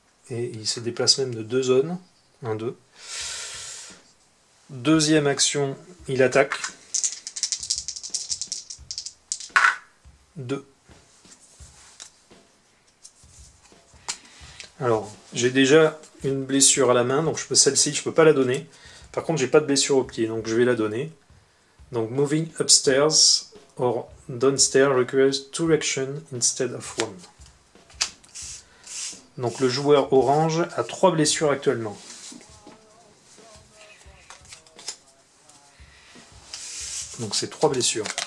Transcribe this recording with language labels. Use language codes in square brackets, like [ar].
[fr] Et il se déplace même de deux zones. 1, 2. Deuxième action, il attaque. 2. Alors, j'ai déjà une blessure à la main. Donc celle-ci, je ne peux pas la donner. Par contre, j'ai pas de blessure au pied, donc je vais la donner. Donc, [en] moving upstairs or downstairs requires two actions instead of one. [fr] Donc, le joueur orange a 3 blessures actuellement. Donc, c'est 3 blessures.